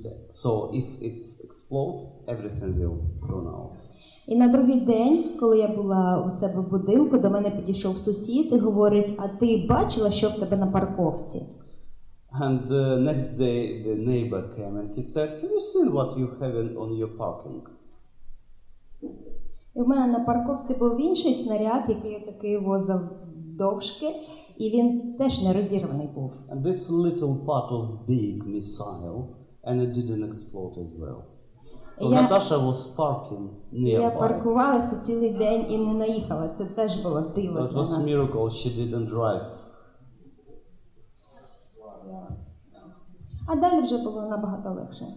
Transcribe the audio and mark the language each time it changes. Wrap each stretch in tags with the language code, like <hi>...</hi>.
<en>So if it's explode, everything will run out.</en> <uk>І на другий день, коли я була у себе в будинку, до мене підійшов сусід і говорить: "А ти бачила, що в тебе на парковці?"</uk> <en>And the next day the neighbor came and he said, "Have you seen what you have on your parking?"</en> <uk>І в мене на парковці був інший снаряд, який я таки возив довжки, і він теж не розірваний був.</uk> <en>And this little part of big missile, and it didn't explode as well. So</en> <uk>я,</uk> <en>Natasha was parking nearby.</en> <uk>Я паркувалася цілий день і не наїхала. Це теж було диво для нас.</uk> <en>It was a miracle she didn't drive.</en> <uk>Yeah. А далі вже було набагато легше.</uk>